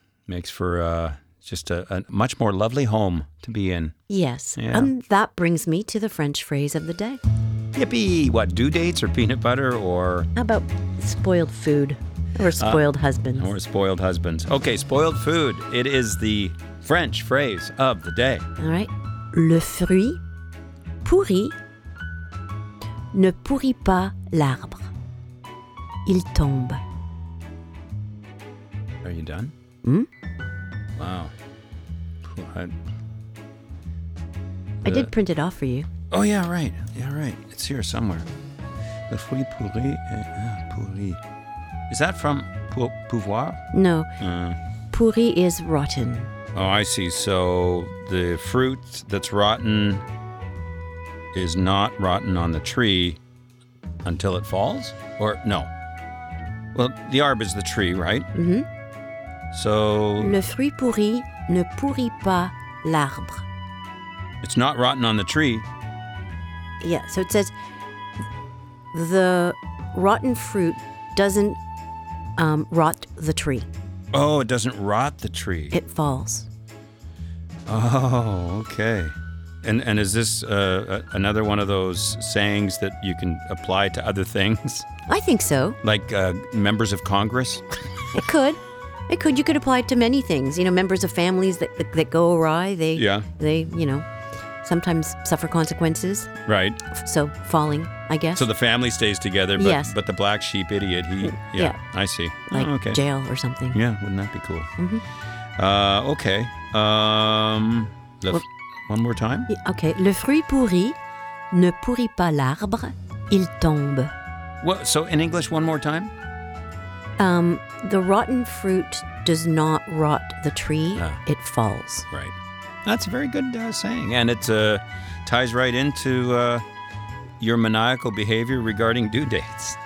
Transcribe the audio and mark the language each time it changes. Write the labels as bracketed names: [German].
[English] Makes for just a much more lovely home to be in. Yes. Yeah. And that brings me to the French phrase of the day. Yippee! What, due dates or peanut butter or... How about spoiled food or spoiled husbands? Or spoiled husbands. Okay, spoiled food. It is the French phrase of the day. All right. [French] Le fruit pourri ne pourrit pas l'arbre. Il tombe. [English] Are you done? Hmm? Wow. I did print it off for you. Oh, yeah, right. Yeah, right. It's here somewhere. [French] Le fruit pourri est pourri. [English] Is that from pouvoir? No. Pourri is rotten. Oh, I see. So the fruit that's rotten is not rotten on the tree until it falls? Or no? Well, the arbre is the tree, right? Mm-hmm. So, [French] le fruit pourri ne pourrit pas l'arbre. [English] It's not rotten on the tree. Yeah, so it says the rotten fruit doesn't rot the tree. Oh, it doesn't rot the tree. It falls. Oh, okay. And is this another one of those sayings that you can apply to other things? I think so. Like members of Congress? It could. It could. You could apply it to many things. You know, members of families that go awry, they, you know, sometimes suffer consequences. Right. So falling, I guess. So the family stays together, but the black sheep idiot, he... Yeah. I see. Like jail or something. Yeah, wouldn't that be cool? Mm-hmm. Okay. One more time? Okay. [French] Le fruit pourri ne pourrit pas l'arbre, il tombe. [English] What? So in English, one more time? The rotten fruit does not rot the tree, it falls. Right. That's a very good saying, and it ties right into your maniacal behavior regarding due dates.